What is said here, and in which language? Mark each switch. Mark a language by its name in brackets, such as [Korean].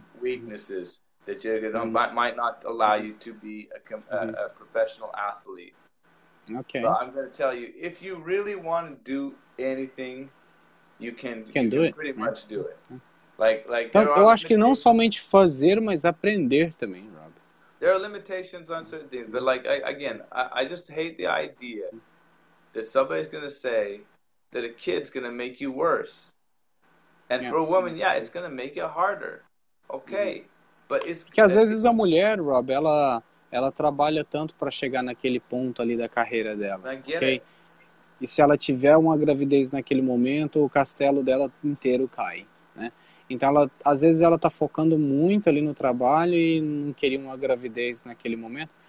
[English] weaknesses that you might not allow you to be a professional athlete. Okay. But I'm going to tell you, if you really want to do anything, you can do it. Pretty much do it. Like [Portuguese] então, eu acho que não somente fazer, mas aprender também. [English] There are limitations on certain things, but like I just hate the idea that somebody's going to say that a kid's going to make you worse. And for a woman, it's going to make it harder. Okay, but it's [Portuguese] que às vezes a mulher, Rob, ela trabalha tanto para chegar naquele ponto ali da carreira dela. Okay, e se ela tiver uma gravidez naquele momento, o castelo dela inteiro cai. Então, ela, às vezes, ela está focando muito ali no trabalho e não queria uma gravidez naquele momento.